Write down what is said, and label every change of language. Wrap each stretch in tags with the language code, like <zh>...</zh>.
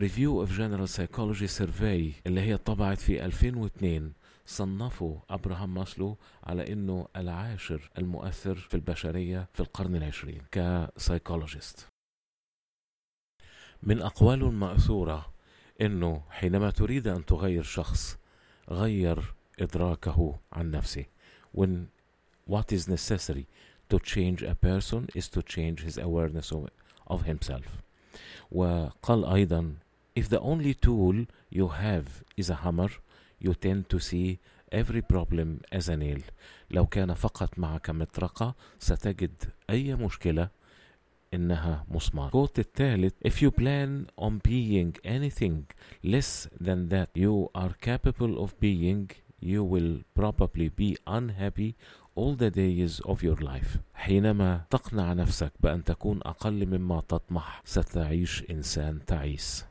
<ar>Review of General Psychology Survey اللي هي طبعت في 2002 صنفوا أبراهام ماسلو على إنه العاشر المؤثر في البشرية في القرن العشرين كسايكولوجيست. من أقواله المأثورة إنه حينما تريد أن تغير شخص غير إدراكه عن نفسه.</ar> <en>When what is necessary to change a person is to change his awareness of himself.</en> <ar>وقال أيضا</ar> <en>if the only tool you have is a hammer you tend to see every problem as a nail.</en> <ar>لو كان فقط معك مطرقة ستجد أي مشكلة إنها مسمار. قوت الثالث</ar> <en>if you plan on being anything less than that you are capable of being you will probably be unhappy all the days of your life.</en> <ar>حينما تقنع نفسك بأن تكون أقل مما تطمح ستعيش إنسان تعيس.</ar>